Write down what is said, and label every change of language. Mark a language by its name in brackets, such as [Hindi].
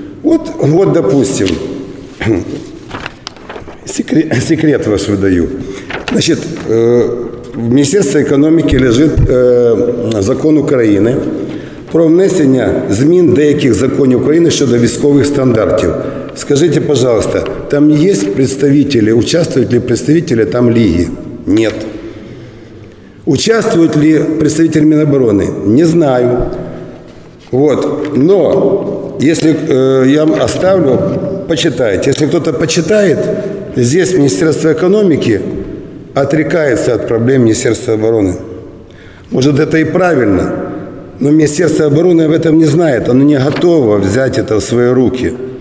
[Russian] Вот допустим, секрет ваш выдаю. Значит, в Министерстве экономики лежит закон Украины [Ukrainian] про внесення змін деяких законів України щодо військових стандартів. Скажіть, будь ласка, там є представники, участвують ли представники там Ліги? Ні. Участвують ли представники Міноборони? [Russian] Не знаю. Вот. Но, я вам оставлю, почитайте. Если кто-то почитает, здесь Министерство экономики отрекается от проблем Министерства обороны. Может, это и правильно. Но Министерство обороны об этом не знает, оно не готово взять это в свои руки.